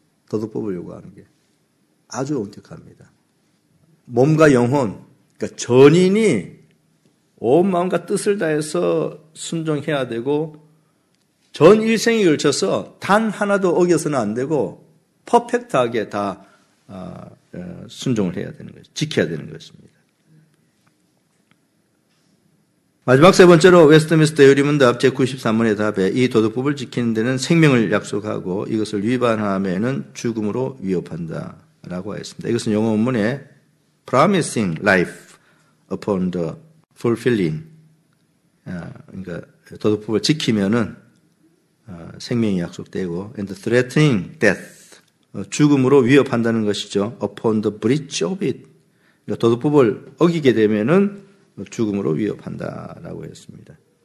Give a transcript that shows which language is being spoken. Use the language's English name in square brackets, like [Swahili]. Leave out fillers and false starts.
[Korean] 도덕법을 요구하는 게 아주 엄격합니다. 몸과 영혼, 그러니까 전인이 온 마음과 뜻을 다해서 순종해야 되고 전 일생에 걸쳐서 단 하나도 어겨서는 안 되고 퍼펙트하게 다 순종을 해야 되는 것이, 지켜야 되는 것입니다. 마지막 세 번째로 웨스트민스터 요리문답 제93문의 답에 이 도덕법을 지키는 데는 생명을 약속하고 이것을 위반함에는 죽음으로 위협한다 라고 하였습니다. 이것은 영어 원문에 [English] promising life upon the fulfilling. [Korean] 그러니까 도덕법을 지키면은 생명이 약속되고 [English] and threatening death. [Korean] 죽음으로 위협한다는 것이죠. [English] Upon the breach of it. [Korean] 그러니까 도덕법을 어기게 되면은 죽음으로 위협한다라고 했습니다.